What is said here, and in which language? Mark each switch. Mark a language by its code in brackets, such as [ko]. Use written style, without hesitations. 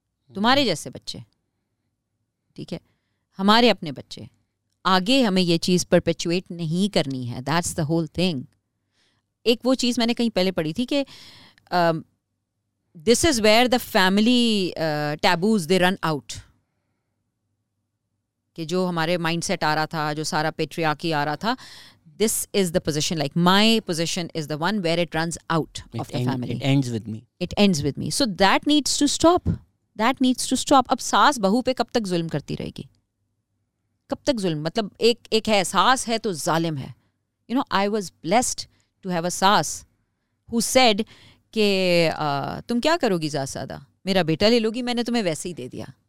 [ur] تمہارے جیسے بچے, ٹھیک ہے, ہمارے اپنے بچے, آگے ہمیں یہ چیز پرپیچویٹ نہیں کرنی ہے. [en] That's the whole thing. [ur] ایک وہ چیز میں نے کہیں پہلے پڑھی تھی کہ [en] This is where the family taboos they run out. [ur] کہ جو ہمارے مائنڈ سیٹ آ رہا تھا, [en] جو سارا پیٹریارکی آ رہا تھا, this is the position, like my position is the one where it runs out of the family. It ends with me. So that needs to stop. [ur] اب ساس بہو پہ کب تک ظلم کرتی رہے گی؟ کب تک ظلم, مطلب ایک ہے ساس ہے تو ظالم ہے. [en] you know, I was blessed to have a saas who said [ur] کہ تم کیا کرو گی زیادہ سادہ, میرا بیٹا لے لو گی, میں نے تمہیں ویسے ہی دے دیا.